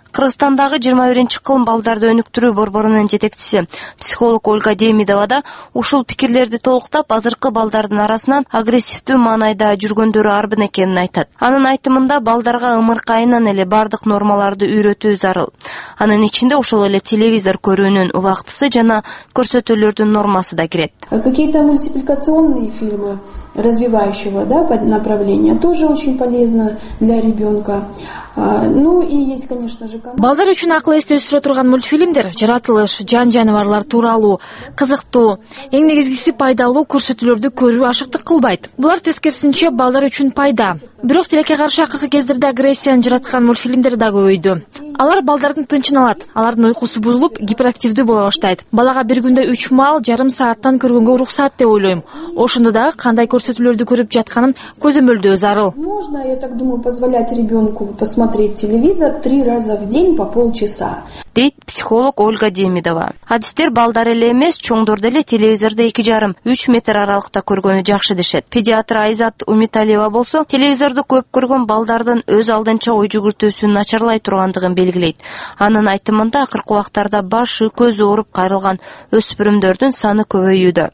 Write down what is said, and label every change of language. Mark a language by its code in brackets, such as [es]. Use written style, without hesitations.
[ky] Кыргызстандагы 21-чи кылым балдарды өнүктүрүү борборунун жетекчиси психолог Ольга Демидова да ушул пикирлерди толуктап, азыркы балдардын арасынан агрессивдүү маанайда жүргөндөрү ар бир экенин айтат. Анын айтымында балдарга ымыркайынан эле бардык нормаларды үйрөтүү зарыл. Анын ичинде ошол эле телевизор көрүүнүн убактысы жана көрсөтүүлөрдүн нормасы да кирет. [ru] Какие-то мультипликационные фильмы развивающего, да, направления тоже очень полезно для ребёнка. [ky] Балдар үчүн акыл эсти өстүрө турган мультфильмдер жаратылыш, жан жаныбарлар тууралуу, кызыктуу, эң негизгиси пайдалуу көрсөтүүлөрдү көрүү ашыктык кылбайт. Булар тескерисинче балдар үчүн пайда. Бирок тилекке каршы акыркы кездерде агрессияны жараткан мультфильмдер да көбөйдү. Алар балдардын тынчын алат, алардын уйкусу бузулуп, гиперактивдүү боло баштайт. Балага бир күндө 3 маал жарым сааттан көргөнгө уруксат деп ойлойм. Ошондо дагы кандай көрсөтүүлөрдү көрүп жатканын көзөмөлдөө зарыл. [ru] Можно, я так думаю, позволять ребёнку посмотреть телевизор 3 раза в день по полчаса. [ky] Дейт психолог Ольга Демидова. Адистер балдар эле эмес, чоңдор деле телевизорду 2.5-3 метр аралыкта көргөнү жакшы дешет. Педиатр Айзат Умиталиева болсо, телевизорду көп көргөн балдардын өз алдынча ой жүгүртүүсүн начарлай тургандыгын белгилейт. Анын айтымында акыркы убактарда башы, көзү ооруп кайрылган өспүрүмдөрдүн саны көбөйүүдө.